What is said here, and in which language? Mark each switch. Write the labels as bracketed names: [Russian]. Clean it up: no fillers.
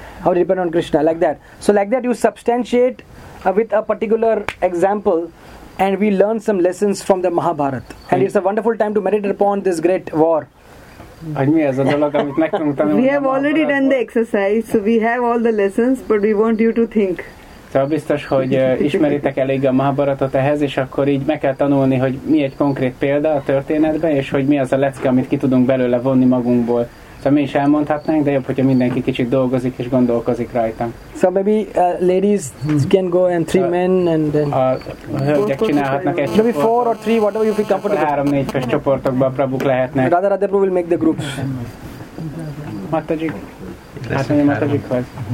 [English] How to depend on Krishna, like that. So like that, you substantiate with a particular example, and we learn some lessons from the Mahabharata. And it's a wonderful time to meditate upon this great war. We have already done the exercise, so we have all the lessons, but we want you to think. [Hungarian] Szóval biztos, hogy ismeritek elég a Mahabharatot ehhez, és akkor így meg kell tanulni, hogy mi egy konkrét példa a történetben, és hogy mi az a lecke, amit ki tudunk belőle vonni magunkból. Szóval mi is elmondhatnánk, de jobb, hogyha mindenki kicsit dolgozik és gondolkozik rajtam. [English] So maybe ladies can go and three men and then... [Hungarian] A hölgyek csinálhatnak egy csoportot. [English] Maybe four or three, whatever you feel comfortable. [Hungarian] Három-négy fős csoportokban a prabuk lehetnek. [English] Radha will make the groups. [Hungarian] Matajik. Hát mondja, Matajik vagy.